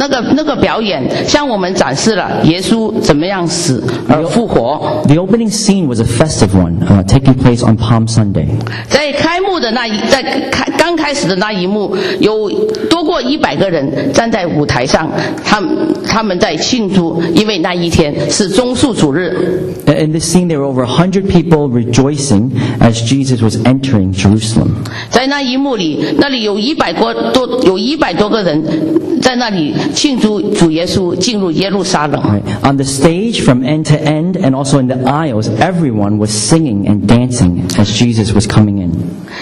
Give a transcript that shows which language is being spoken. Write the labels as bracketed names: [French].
[Chinese] 那个表演向我们展示了耶稣怎么样死而复活。 [English] The opening scene was a festive one, taking place on Palm Sunday. [Chinese] 在开幕的那一在开刚开始的那一幕，有多过100个人站在舞台上，他们在庆祝，因为那一天是中恕主日。 [English] In this scene, there were over 100 people rejoicing as Jesus was entering Jerusalem. [Chinese] 在那一幕里，那里有100多个人在那里庆祝主耶稣进入耶路撒冷。 [English] On the stage, from end to end, and also in the aisles, everyone was singing and dancing as Jesus was coming in.